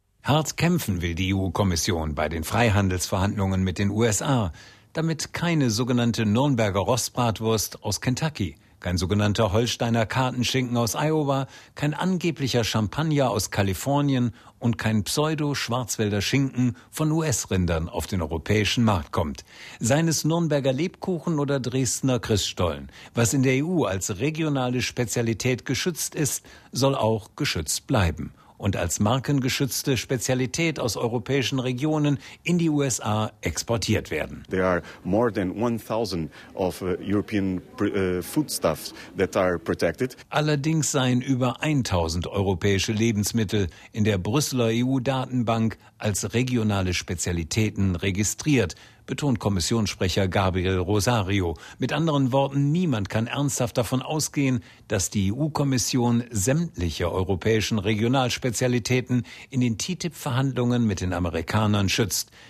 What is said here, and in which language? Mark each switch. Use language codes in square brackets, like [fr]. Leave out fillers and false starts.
[de] Hart kämpfen will die EU-Kommission bei den Freihandelsverhandlungen mit den USA, damit keine sogenannte Nürnberger Rostbratwurst aus Kentucky, kein sogenannter Holsteiner Kartenschinken aus Iowa, kein angeblicher Champagner aus Kalifornien und kein Pseudo-Schwarzwälder Schinken von US-Rindern auf den europäischen Markt kommt. Seien es Nürnberger Lebkuchen oder Dresdner Christstollen, was in der EU als regionale Spezialität geschützt ist, soll auch geschützt bleiben. Und als markengeschützte Spezialität aus europäischen Regionen in die USA exportiert werden. [en] There are more than 1000 of European foodstuffs that are protected. [de] Allerdings seien über 1000 europäische Lebensmittel in der Brüsseler EU-Datenbank als regionale Spezialitäten registriert, betont Kommissionssprecher Gabriel Rosario. Mit anderen Worten, niemand kann ernsthaft davon ausgehen, dass die EU-Kommission sämtliche europäischen Regionalspezialitäten in den TTIP-Verhandlungen mit den Amerikanern schützt.